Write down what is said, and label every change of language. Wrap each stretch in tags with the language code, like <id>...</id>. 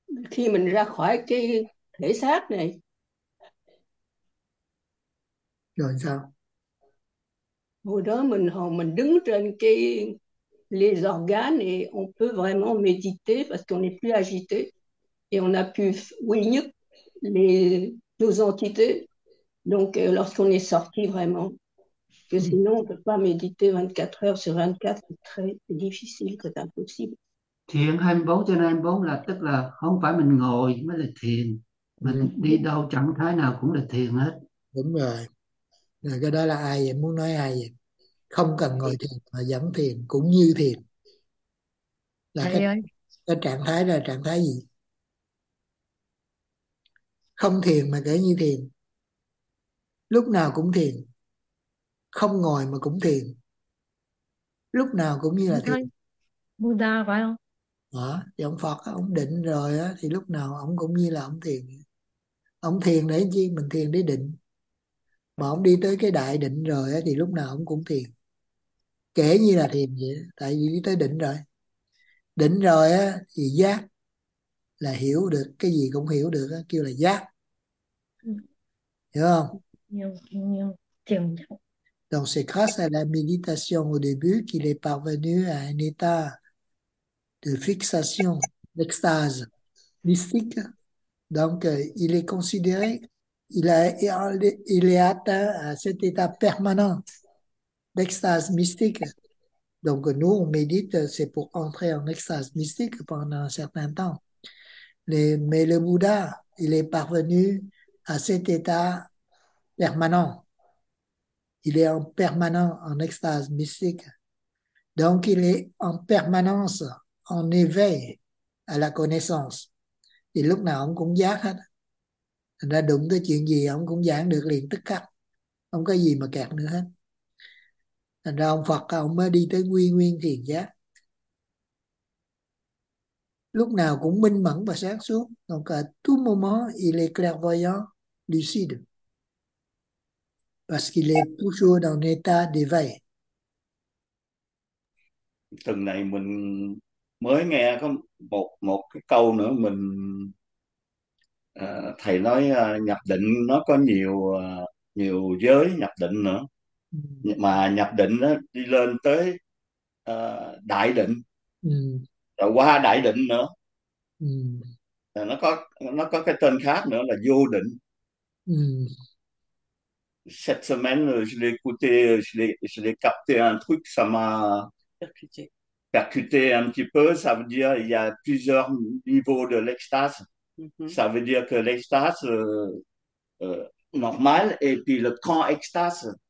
<vi>Khi mình ra khỏi cái thể xác này Rồi sao? hồi đó mình hồi mình đứng trên cái</vi> <fr>les organes et on peut vraiment méditer parce qu'on n'est plus agité et on a pu unir les deux entités, donc lorsqu'on est sorti vraiment, que sinon on ne peut pas méditer 24 heures sur 24, c'est très difficile, c'est impossible.</fr> <vi>Thiền 24 trên 24 là tức là không phải mình ngồi mới là thiền, mình đi đâu trạng thái nào cũng là thiền hết. Đúng rồi. Rồi cái đó là ai vậy? Muốn nói ai vậy? Không cần ngồi thiền mà dẫn thiền cũng như thiền. Là Thầy ơi. cái trạng thái là trạng thái gì? Không thiền mà kể như thiền. Lúc nào cũng thiền. Không ngồi mà cũng thiền. Lúc nào cũng như là thiền. Buddha phải không? Hả? Thì ông Phật ông định rồi á, thì lúc nào ông cũng như là ông thiền. Ông thiền để chi? Mình thiền để định. Mà ông đi tới cái đại định rồi á, thì lúc nào ông cũng thiền. Kể như là thiền vậy, tại vì đi tới định rồi. Định rồi á, thì giác là hiểu được, cái gì cũng hiểu được á, kêu là giác. Hiểu không? Nhiều trường</vi> <fr>Donc c'est grâce à la méditation au début qu'il est parvenu à un état de fixation, d'extase mystique. Donc, il est considéré, il est atteint à cet état permanent d'extase mystique. Donc, nous, on médite, c'est pour entrer en extase mystique pendant un certain temps. Mais le Bouddha, il est parvenu à cet état permanent. Il est en permanent en extase mystique. Donc, il est en permanence en éveil à la connaissance.</fr> <vi>Thì lúc nào ông cũng giác hết. Thành ra đụng tới chuyện gì ông cũng giảng được liền tức khắc. Không có gì mà kẹt nữa hết. Thành ra ông Phật ông mới đi tới quy nguyên thiền giác. Lúc nào cũng minh mẫn và sáng suốt.</vi> <fr>Donc à, tout moment, il est clairvoyant, lucide. Parce qu'il est toujours dans l'état d'éveil.</fr> <vi>từng này mình mới nghe có một một cái câu nữa mình thầy nói nhập định nó có nhiều nhiều giới nhập định nữa, mà nhập định nó đi lên tới đại định rồi qua đại định nữa, nó có cái tên khác nữa là vô định,</vi> <fr>Cette semaine, je l'ai écouté, je l'ai capté un truc, ça m'a Percuté. percuté un petit peu. Ça veut dire il y a plusieurs niveaux de l'extase. Ça veut dire que l'extase normale et puis le grand extase.</fr>